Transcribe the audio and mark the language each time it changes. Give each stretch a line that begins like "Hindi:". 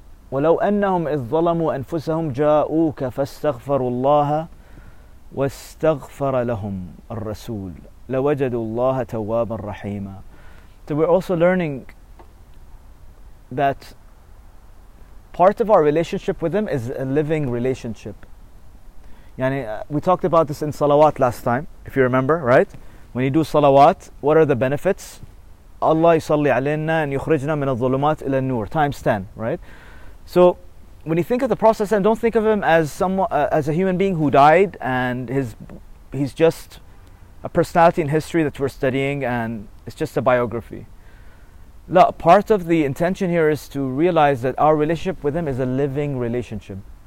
Arabic: وَلَوْ أَنَّهُمْ إِذْ ظَلَمُوا أَنفُسَهُمْ جَاءُوكَ فَاسْتَغْفَرُوا اللَّهَ وَاسْتَغْفَرَ لَهُمْ الرَّسُولُ لَوَجَدُوا اللَّهَ تَوَّابًا رَحِيمًا.
English: So we're also learning that part of our relationship with Him is a living relationship. Yani, we talked about this in Salawat last time, if you remember, right? When you do Salawat, what are the benefits?
Arabic: Allah يصلي علينا أن يخرجنا من الظلمات إلى النور.
English: Times 10, right? So when you think of the process, and don't think of him as as a human being who died and he's just a personality in history that we're studying and it's just a biography. La, part of the intention here is to realize that our relationship with him is a living relationship.